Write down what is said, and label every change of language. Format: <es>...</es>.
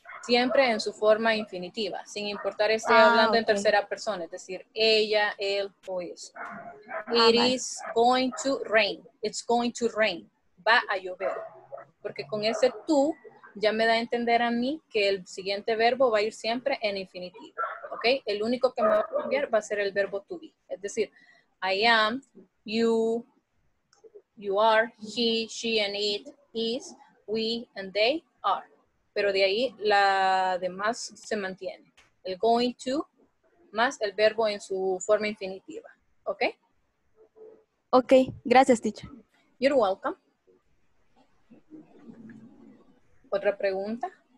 <es>Siempre en su forma infinitiva, sin importar esté hablando en tercera persona, es decir, ella, él, o eso.</es> <en>It is going to rain. It's going to rain.</en> <es>Va a llover. Porque con ese tú, ya me da a entender a mí que el siguiente verbo va a ir siempre en infinitivo. ¿Ok? El único que me va a cambiar va a ser el verbo to be. Es decir,</es> <en>I am, you, you are, he, she, and it, is, we, and they are.</en> <es>Pero de ahí la demás se mantiene. El going to más el verbo en su forma infinitiva. ¿Ok? Ok. Gracias, teacher.</es> <en>You're welcome.</en> <es>¿Otra pregunta?</es>